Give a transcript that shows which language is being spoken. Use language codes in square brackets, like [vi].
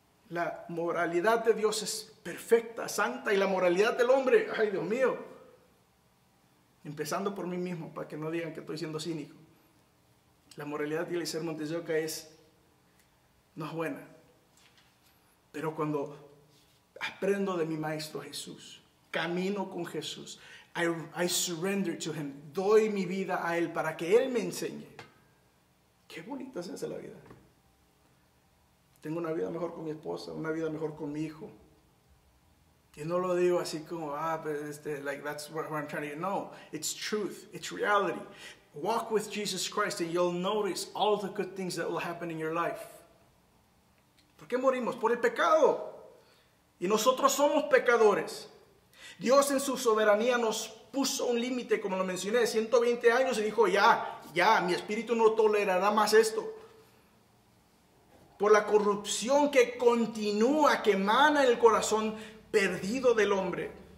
[es] La moralidad de Dios es perfecta, santa, y la moralidad del hombre, ay Dios mío, empezando por mí mismo, para que no digan que estoy siendo cínico, la moralidad de Eliezer Montes de Oca no es buena, pero cuando aprendo de mi maestro Jesús, camino con Jesús, [en] I surrender to Him, [es] doy mi vida a Él para que Él me enseñe, qué bonita se hace la vida. Tengo una vida mejor con mi esposa, una vida mejor con mi hijo. Y no lo digo así como, [en] that's what I'm trying to do. No, it's truth, it's reality. Walk with Jesus Christ and you'll notice all the good things that will happen in your life. [es] ¿Por qué morimos? Por el pecado. Y nosotros somos pecadores. Dios en su soberanía nos puso un límite, como lo mencioné, de 120 años y dijo, ya, mi espíritu no tolerará más esto. Por la corrupción que continúa, que emana en el corazón perdido del hombre.